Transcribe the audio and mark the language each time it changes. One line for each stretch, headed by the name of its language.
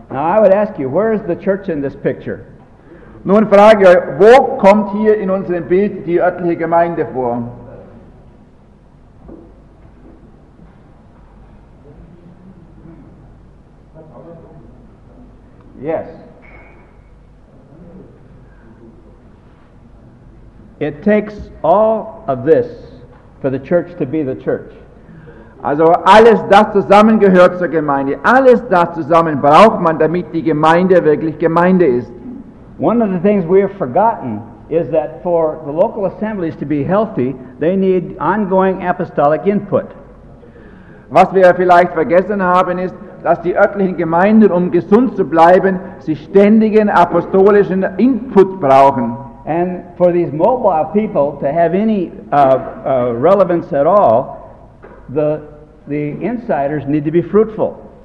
English: Now I would ask you, where is the church in this picture?
German: Nun frage ich, wo kommt hier in unserem Bild die örtliche Gemeinde vor?
English: Yes. It takes all of this for the church to be the church.
German: Also alles das zusammengehört zur Gemeinde. Alles das zusammen braucht man, damit die Gemeinde wirklich Gemeinde ist.
English: One of the things we have forgotten is that for the local assemblies to be healthy, they need ongoing apostolic input.
German: Was wir vielleicht vergessen haben, ist, dass die örtlichen Gemeinden, um gesund zu bleiben, sich ständigen apostolischen Input brauchen.
English: And for these mobile people to have any relevance at all, the insiders need to be fruitful.